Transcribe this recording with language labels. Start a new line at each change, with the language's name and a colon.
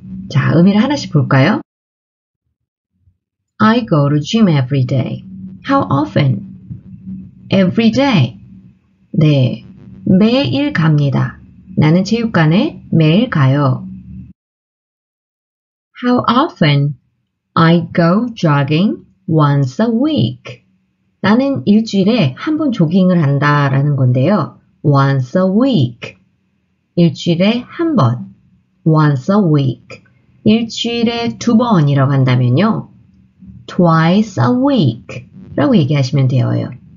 Korean: 자, 의미를 하나씩 볼까요?
English: I go to gym every day. How often? Every day.
Korean: 네, 매일 갑니다. 나는 체육관에 매일 가요.
English: How often I go jogging once a week.
Korean: 나는 일주일에 한 번 조깅을 한다 라는 건데요.
English: Once a week.
Korean: 일주일에 한 번.
English: Once a week.
Korean: 일주일에 두 번이라고 한다면요.
English: Twice a week
Korean: 라고 얘기하시면 되어요.